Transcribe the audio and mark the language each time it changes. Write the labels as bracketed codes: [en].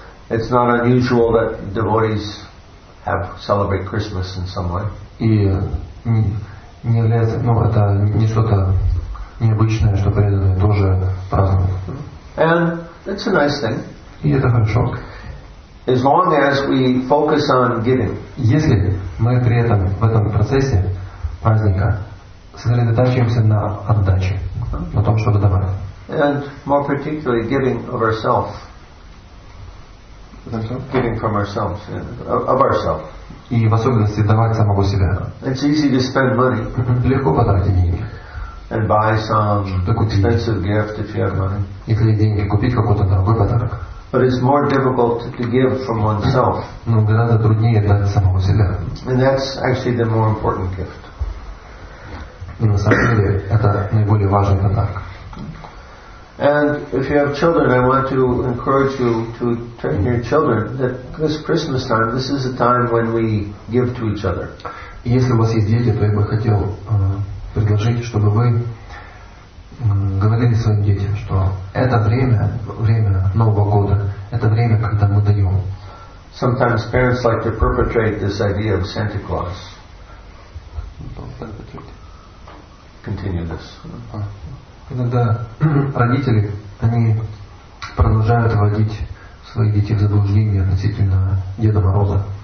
[en] It's not unusual that devotees have celebrate Christmas in some way. [ru] И не является, ну это не что-то необычное, что преданные тоже празднуют. [en] And it's a nice thing. [ru] И это хорошо. [en] As long as we focus on giving. [ru] Если мы при этом в этом процессе праздника сосредотачиваемся на отдаче, на том, чтобы давать. [en] And more particularly giving of ourselves. Giving from ourselves, of ourselves. [ru] И в особенности давать самого себя. [en] It's easy to spend money. [ru] Легко потратить деньги. [en] And buy some expensive gift if you have money. [ru] Если есть деньги, купить какой-то дорогой подарок. [en] But it's more difficult to give from oneself. [ru] Но гораздо труднее дать самого себя. [en] And that's actually the more important gift. [ru] И на самом деле это наиболее важный подарок. [en] And if you have children, I want to encourage you to train your children that this Christmas time, this is a time when we give to each other. [ru] Если у вас есть дети, то я бы хотел предложить, чтобы вы говорили своим детям, что это время Нового года, это время, когда мы даем. [en] Sometimes parents like to perpetrate this idea of Santa Claus. Continue this. [ru] Иногда родители, они продолжают вводить своих детей в заблуждение относительно Деда Мороза.